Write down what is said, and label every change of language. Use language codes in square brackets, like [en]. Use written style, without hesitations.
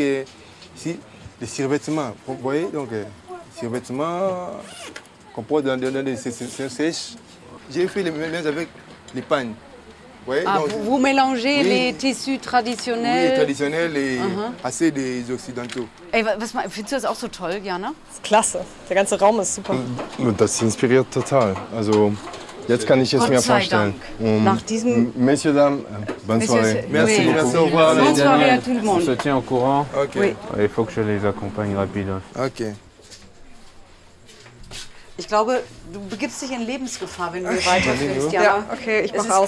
[fr] Et ici les survêtements. Vous voyez donc survêtements qu'on porte dans des sèches. J'ai fait les mêmes avec les pagnes. Ouais, vous mélangez les tissus traditionnels. Oui, traditionnels et assez des occidentaux. [de] Ey, was findest du das auch so toll, Jana? Ist klasse. Der ganze Raum ist super. Das inspiriert total. Also, jetzt kann ich es Gott mir vorstellen. Und nach diesem [fr] Messieurs dames, bonne soirée. Merci beaucoup. Bonne soirée à tout le monde. On se tient au courant. OK. Oui. Il faut que je les accompagne rapidement. OK. [de] Ich glaube, du begibst dich in Lebensgefahr, wenn du hier weiterfährst, Jana. Ja, okay, ich mach aus.